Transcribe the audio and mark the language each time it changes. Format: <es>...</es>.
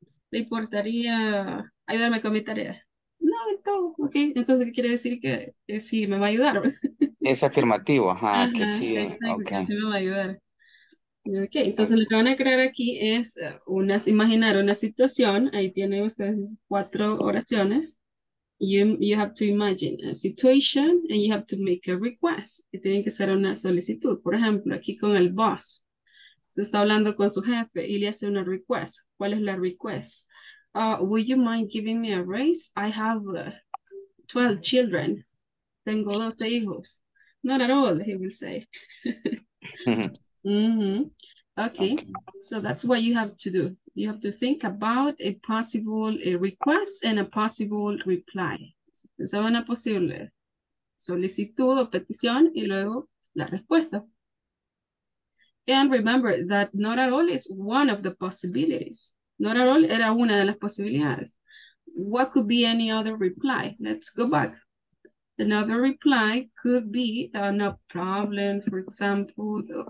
<es>¿Le importaría ayudarme con mi tarea? No, de todo. Okay, entonces, ¿qué quiere decir? Que sí, me va a ayudar. Es afirmativo, ajá, ajá, que sí. Exacto,</es> <en>okay.</en> <es>Que sí me va a ayudar. Ok, entonces lo que van a crear aquí es imaginar una situación. Ahí tienen ustedes cuatro oraciones.</es> <en>You have to imagine a situation and you have to make a request.</en> <es>Y tiene que ser una solicitud. Por ejemplo, aquí con el boss. Se está hablando con su jefe y le hace una request. ¿Cuál es la request?</es> <en>Would you mind giving me a raise? I have 12 children.</en> <es>Tengo 12 hijos.</es> <en>Not at all, he will say. Okay, so that's what you have to do. You have to think about a possible a request and a possible reply.</en> <es>Pensaba una posible solicitud o petición y luego la respuesta.</es> <en>And remember that not at all is one of the possibilities. Not at all</en> <es>era una de las posibilidades.</es> <en>What could be any other reply? Let's go back. Another reply could be no problem, for example.</en>